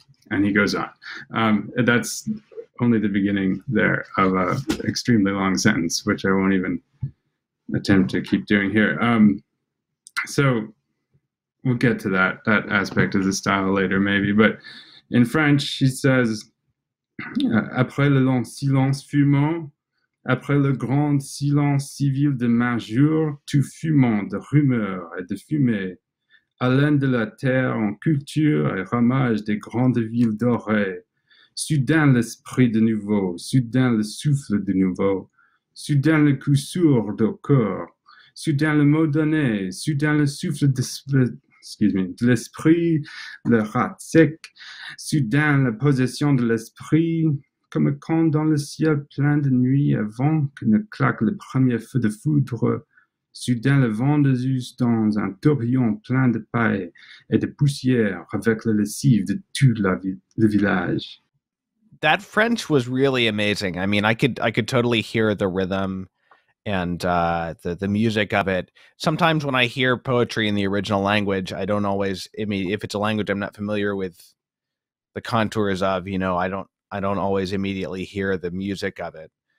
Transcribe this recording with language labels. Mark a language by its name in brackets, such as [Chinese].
[English] And he goes on. That's only the beginning there of an extremely long sentence, which I won't even attempt to keep doing here. So we'll get to that aspect of the style later, maybe. But in French, he says, [French] après le long silence fumant, après le grand silence civil de maint jour, tout fumant de rumeurs et de fumée, haleine de la terre en culture et ramage des grandes villes dorées, soudain l'esprit de nouveau, soudain le souffle de nouveau, soudain le coup sourd au corps, soudain le mot donné, soudain le souffle de... de l'esprit, le rat sec, soudain la possession de l'esprit, comme quand dans le ciel plein de nuit avant que ne claque le premier feu de foudre, soudain le vent de Zeus dans un tourbillon plein de paille et de poussière avec la lessive de tout le village. [English] That French was really amazing. I mean, I could totally hear the rhythm and the music of it. Sometimes when I hear poetry in the original language, I don't always, I mean, if it's a language I'm not familiar with the contours of, you know, I don't always immediately hear the music of it.